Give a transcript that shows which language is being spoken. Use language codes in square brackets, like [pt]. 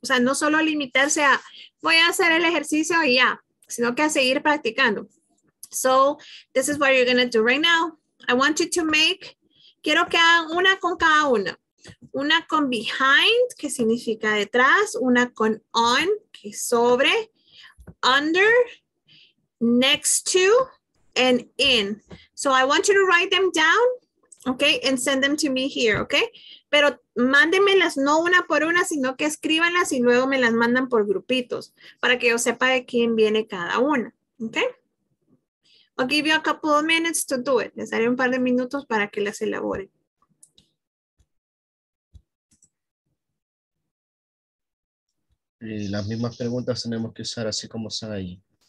[es] O sea, no solo limitarse a voy a hacer el ejercicio y ya, sino que a seguir practicando. [en] So, this is what you're going to do right now. I want you to make, [es] quiero que hagan una con cada una. Una con behind, que significa detrás. Una con on, que sobre. [en] Under, next to, and in. So I want you to write them down, okay? And send them to me here, okay? [es] Pero mándenmelas no una por una, sino que escríbanlas y luego me las mandan por grupitos para que yo sepa de quién viene cada una, okay? [en] I'll give you a couple of minutes to do it. [es] Les daré un par de minutos para que las elaboren. Las mismas preguntas tenemos que usar así como están ahí.